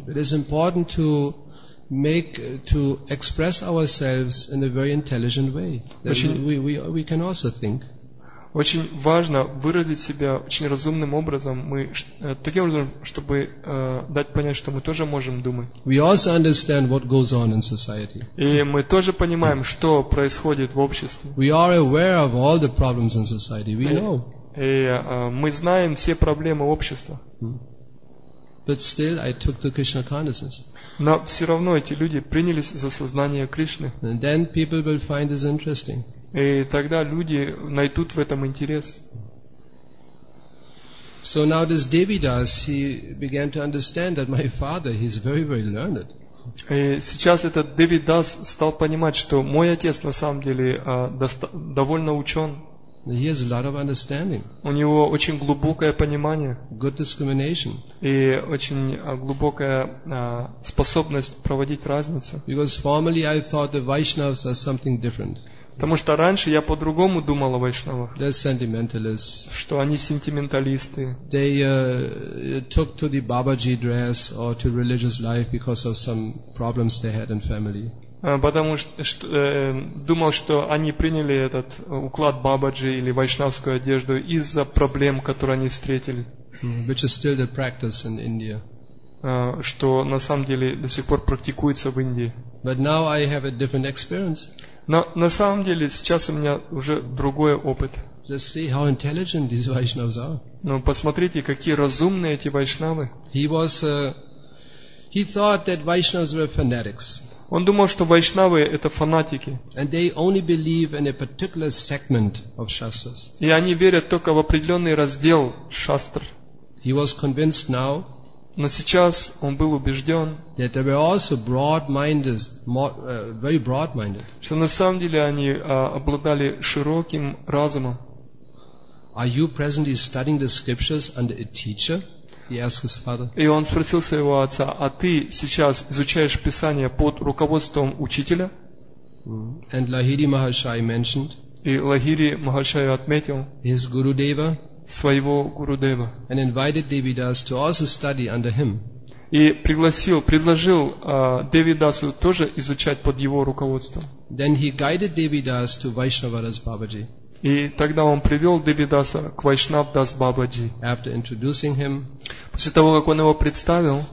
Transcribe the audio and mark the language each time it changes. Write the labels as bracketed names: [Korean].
[English] It is important to make to express ourselves in a very intelligent way. We can also think. [Russian] Очень важно выразить себя очень разумным образом, мы, таким образом, чтобы дать понять, что мы тоже можем думать. [English] We also understand what goes on in society. [Russian] И мы тоже понимаем, что происходит в обществе. [English] We are aware of all the problems in society. We know. [Russian] И мы знаем все проблемы общества. [English] But still, I took the Krishna consciousness. [Russian] Но все равно эти люди принялись за сознание Кришны. [English] And then people will find this interesting. [Russian] И тогда люди найдут в этом интерес. [English] So now this Devidas, he began to understand that my father, he's very, very learned. [Russian] И сейчас этот Девидас стал понимать, что мой отец на самом деле довольно учен. [English] He has a lot of understanding. [Russian] У него очень глубокое понимание. [English] Good discrimination. [Russian] И очень глубокая способность проводить разницу. [English] Because formerly I thought the Vaishnavas are something different. [Russian] Потому что раньше я по-другому думал о вайшнавах, что они сентименталисты. [English] They took to the Babaji dress or to religious life because of some problems they had in family. [Russian] Потому что думал, что они приняли этот уклад Бабаджи или вайшнавскую одежду из-за проблем, которые они встретили. [English] Which is still the practice in India. [Russian] Что на самом деле до сих пор практикуется в Индии. [English] But now I have a different experience. [Russian] Но на самом деле сейчас у меня уже другой опыт. [English] Just see how intelligent these Vaishnavas are. [Russian] Ну, посмотрите, какие разумные эти вайшнавы. [English] He thought that Vaishnavas were fanatics. [Russian] Он думал, что вайшнавы это фанатики. [English] And they only believe in a particular segment of shastras. [Russian] И они верят только в определенный раздел шастр. [English] He was convinced now. [Russian] Но сейчас он был убежден, [English] that they were also broad-minded, very broad-minded. [Russian] Что на самом деле они обладали широким разумом. [English] Are you presently studying the scriptures under a teacher? He asked his father. [Russian] И он спросил своего отца, а ты сейчас изучаешь Писание под руководством учителя? [English] And Lahiri Mahashaya mentioned. [Russian] И Лахири Махашая отметил. [English] His Gurudeva. [Russian] Своего Гурудева. [English] And invited Devidas to also study under him. [Russian] И пригласил, предложил Девидасу тоже изучать под его руководством. [English] Then he guided Devidas to Vaishnavadas Babaji. [Russian] И тогда он привел Девидаса к Вайшнавдас Бабаджи. [English] After introducing him, [Russian] после того, как он его представил,